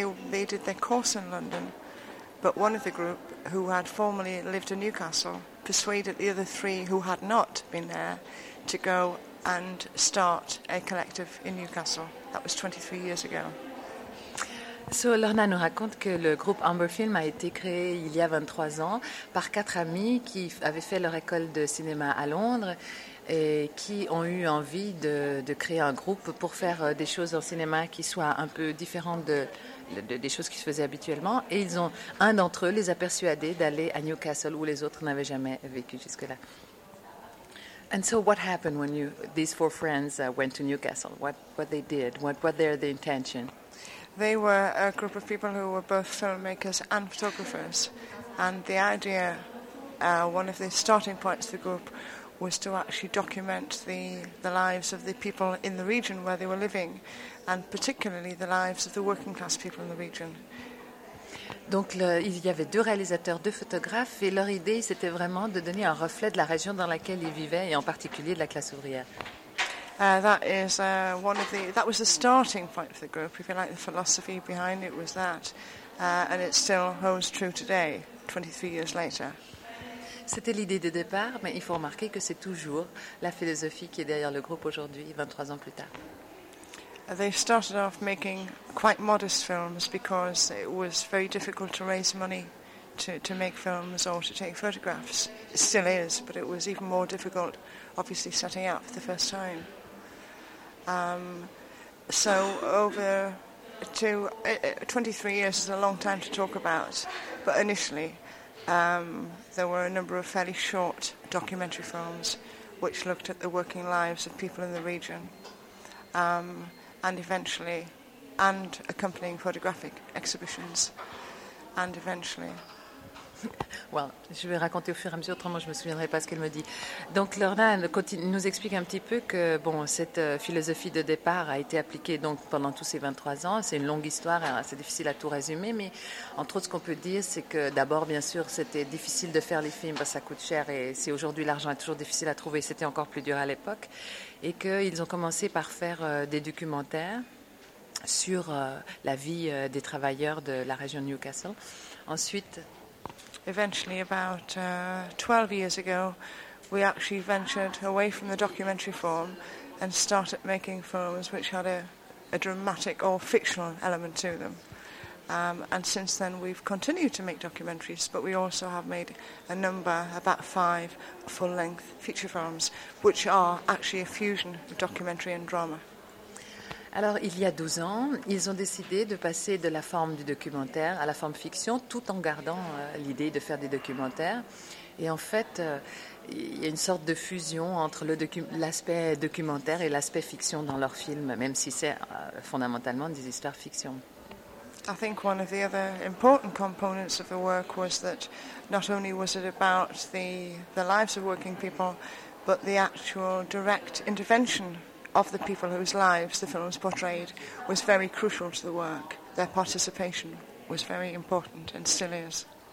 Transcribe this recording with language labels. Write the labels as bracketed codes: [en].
[en] They did their course in London, but one of the group, who had formerly lived in Newcastle, persuaded the other three who had not been there to go and start a collective in Newcastle. That was 23 years ago. [fr] So, Lorna nous raconte que le groupe Amber Film a été créé il y a 23 ans par quatre amis qui avaient fait leur école de cinéma à Londres et qui ont eu envie de créer un groupe pour faire des choses en cinéma qui soient un peu différentes des choses qui se faisaient habituellement. Et ils ont, un d'entre eux les a persuadés d'aller à Newcastle où les autres n'avaient jamais vécu jusque-là. [en] And so what happened when these four friends went to Newcastle? What they did? What were their intention? They were a group of people who were both filmmakers and photographers. And the idea, one of the starting points of the group, was to actually document the lives of the people in the region where they were living, and particularly the lives of the working class people in the region. [fr] Donc, il y avait deux réalisateurs, deux photographes, et leur idée, c'était vraiment de donner un reflet de la région dans laquelle ils vivaient, et en particulier de la classe ouvrière. [en] That was the starting point for the group, if you like, the philosophy behind it was that, and it still holds true today, 23 years later. [fr] C'était l'idée de départ, mais il faut remarquer que c'est toujours la philosophie qui est derrière le groupe aujourd'hui, 23 ans plus tard. [en] They started off making quite modest films because it was very difficult to raise money to make films or to take photographs. It still is, but it was even more difficult, obviously, setting up for the first time. So 23 years is a long time to talk about, but initially there were a number of fairly short documentary films which looked at the working lives of people in the region, and accompanying photographic exhibitions, and eventually [fr] Well, je vais raconter au fur et à mesure, autrement je me souviendrai pas ce qu'elle me dit. Donc Lorna nous explique un petit peu que bon, cette philosophie de départ a été appliquée donc pendant tous ces 23 ans. C'est une longue histoire, c'est difficile à tout résumer, mais entre autres, ce qu'on peut dire, c'est que d'abord, bien sûr, c'était difficile de faire les films parce que ça coûte cher, et si aujourd'hui l'argent est toujours difficile à trouver, c'était encore plus dur à l'époque, et qu'ils ont commencé par faire des documentaires sur la vie des travailleurs de la région Newcastle. Ensuite, [en] eventually, about 12 years ago, we actually ventured away from the documentary form and started making films which had a dramatic or fictional element to them. And since then, we've continued to make documentaries, but we also have made a number, about 5 full-length feature films, which are actually a fusion of documentary and drama. [fr] Alors, il y a 12 ans, ils ont décidé de passer de la forme du documentaire à la forme fiction, tout en gardant l'idée de faire des documentaires. Et en fait, il y a une sorte de fusion entre l'aspect documentaire et l'aspect fiction dans leurs films, même si c'est fondamentalement des histoires fiction. [en] I think one of the other important components of the work was that not only was it about the lives of working people, but the actual direct intervention of the people whose lives the films portrayed was very crucial to the work. Their participation was very important and still is.